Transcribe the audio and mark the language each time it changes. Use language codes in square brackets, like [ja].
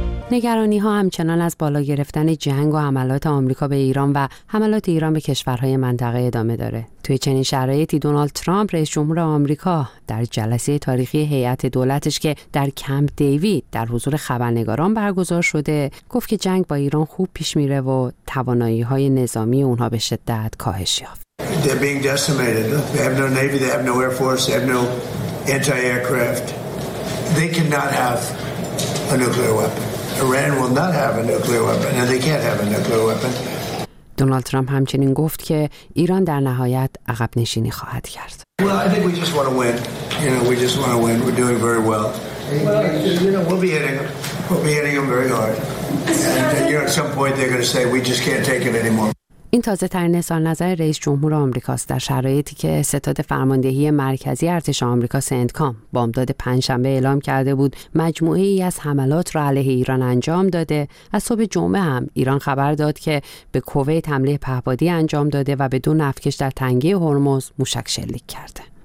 [fa] نگرانی ها همچنان از بالا گرفتن جنگ و حملات آمریکا به ایران و حملات ایران به کشورهای منطقه ادامه داره. توی چنین شرایطی دونالد ترامپ رئیس جمهور آمریکا در جلسه تاریخی هیئت دولتش که در کمپ دیوید در حضور خبرنگاران برگزار شده، گفت که جنگ با ایران خوب پیش میره و توانایی های نظامی اونها به شدت کاهش یافت. [en] They're being decimated. They have no navy, they have no air force, they have no anti-aircraft. They cannot have a nuclear weapon. Iran will not have a nuclear weapon and they can't have a nuclear weapon. [fa] دونالد ترامپ همچنین گفت که ایران در نهایت عقب نشینی خواهد کرد. [en] Well, I think we just want to win. You know, we just want to win. We're doing very well. We'll be hitting them very hard. And you know, at some point they're going to say we just can't take it anymore. [fa] این تازه ترین اظهار نظر رئیس جمهور آمریکاست در شرایطی که ستاد فرماندهی مرکزی ارتش آمریکا سنتکام بامداد پنجشنبه اعلام کرده بود مجموعه ای از حملات را علیه ایران انجام داده. از صبح جمعه هم ایران خبر داد که به کویت حمله پهپادی انجام داده و به 2 نفتکش در تنگه هرمز موشک شلیک کرده.